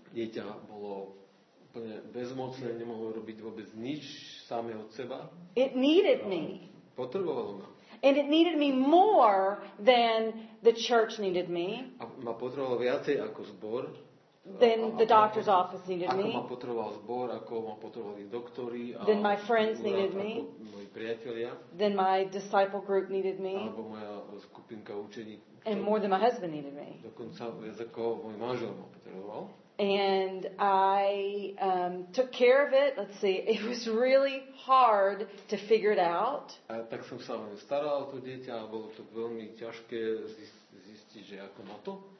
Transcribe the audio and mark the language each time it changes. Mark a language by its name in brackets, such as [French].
[Slovak] Dieťa bolo úplne bezmocné, nemohlo robiť vôbec nič samé od seba. [English] It needed me. [Slovak] Potrebovalo ma. [English] And it needed me more than the church needed me. [Slovak] A ma potrebovalo viacej ako zbor. [English] Then the doctor's office needed me. [Slovak] Ako ma potreboval zbor, ako ma potrebovali doktori. [English] Then my friends needed me. [Slovak] Moji priatelia. [English] Then my disciple group needed me. [Slovak] Alebo moja skupinka učeník. [English] And more than my husband needed me. [Slovak] Dokonca viac ako môj manžel ma potreboval. [English] And I took care of it. Let's see. It was really hard to figure it out. [Slovak] A tak som sa staral o to dieťa, a bolo to veľmi ťažké zistiť, že ako má to.